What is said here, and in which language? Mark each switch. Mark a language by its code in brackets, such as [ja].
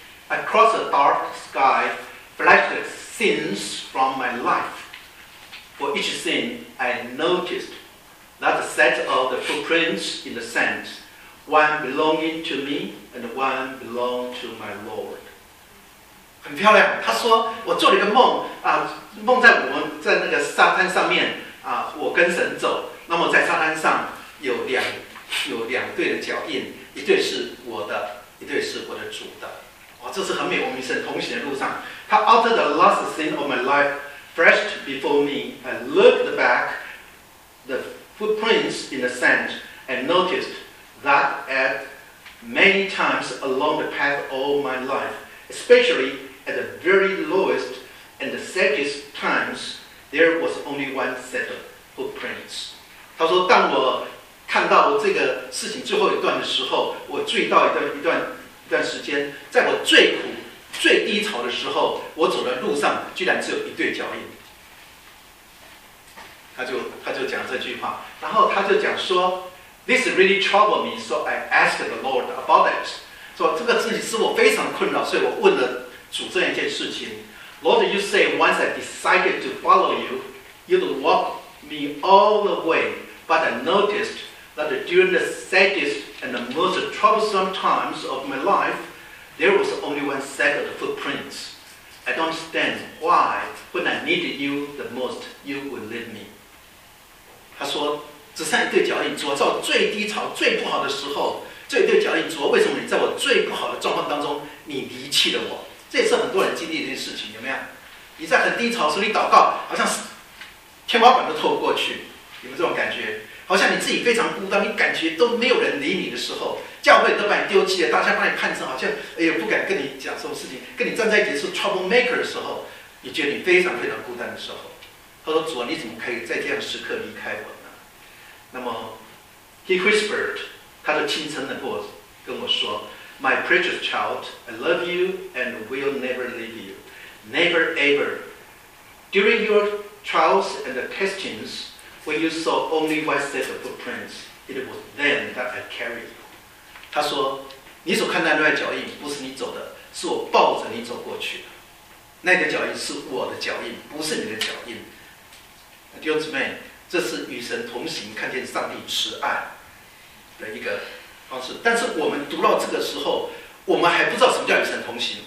[en] Across a dark sky, flashed sins from my life. For each sin, I noticed that a set of the footprints in the sand, one belonging to me and one belonged to my Lord. [zh] 很漂亮，他说我做了一个梦啊，梦在我们在那个沙滩上面啊，我跟神走，那么在沙滩上有两对的脚印，一对是我的，一对是我的主的。哇，这是很美，我们与神同行的路上。 [en] 他 after the last sin of my life flashed before me, I looked back the footprints in the sand and noticed that at many times along the path all my life, especially. At the very lowest and the saddest times, there was only one set of footprints. [zh] 他说，当我看到这个事情最后一段的时候，我注意到一段时间，在我最苦、最低潮的时候，我走的路上居然只有一对脚印。他就讲这句话，然后他就讲说 [en] ，This really troubled me, so I asked the Lord about it. [zh] 说这个事情使我非常困扰，所以我问了。主这样一件事情 [en] Lord, you say once I decided to follow you, you'd walk me all the way. But I noticed that during the saddest and the most troublesome times of my life, there was only one set of footprints. I don't understand why, when I needed you the most, you would leave me. [zh] 他说，只剩一对脚印，主，在我最低潮、最不好的时候，这一对脚印，主，为什么你在我最不好的状况当中，你离弃了我？这也是很多人经历的一件事情，有没有？你在很低潮时你祷告，好像是天花板都透不过去，有没有这种感觉？好像你自己非常孤单，你感觉都没有人理你的时候，教会都把你丢弃了，大家把你判成好像哎呀不敢跟你讲什么事情，跟你站在一起是 trouble maker 的时候，你觉得你非常非常孤单的时候，他说：“主啊，你怎么可以在这样时刻离开我呢？” 那么 [en] he whispered， [zh] 他就轻声的跟我说。 [en] My precious child, I love you and will never leave you. Never ever. During your trials and the testings, when you saw only one set of footprints, it was then that I carried you. [zh] 他说，你所看到的那脚印不是你走的，是我抱着你走过去的。那个脚印是我的脚印，不是你的脚印。弟兄姊妹，这是与神同行，看见上帝慈爱的一个方式，但是我们读到这个时候，我们还不知道什么叫与神同行。